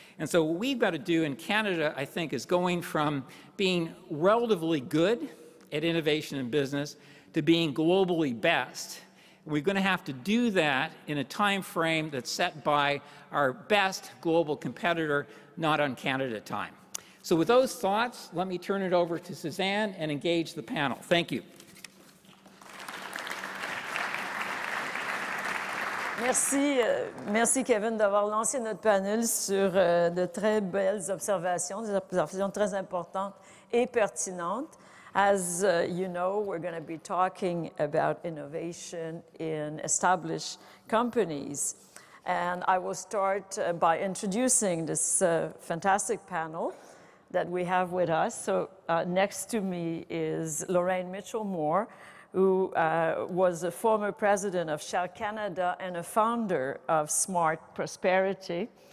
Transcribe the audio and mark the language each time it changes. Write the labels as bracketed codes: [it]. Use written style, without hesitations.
[en] And so what we've got to do in Canada, I think, is going from being relatively good at innovation and business to being globally best. We're going to have to do that in a time frame that's set by our best global competitor, not on Canada time. So with those thoughts, let me turn it over to Suzanne and engage the panel. Thank you. [fr] Merci, merci Kevin d'avoir lancé notre panel sur de très belles observations, des observations très importantes et pertinentes. [en] As you know, we're going to be talking about innovation in established companies. And I will start by introducing this fantastic panel. that we have with us. So next to me is Lorraine Mitchelmore, who was a former president of Shell Canada and a founder of Smart Prosperity.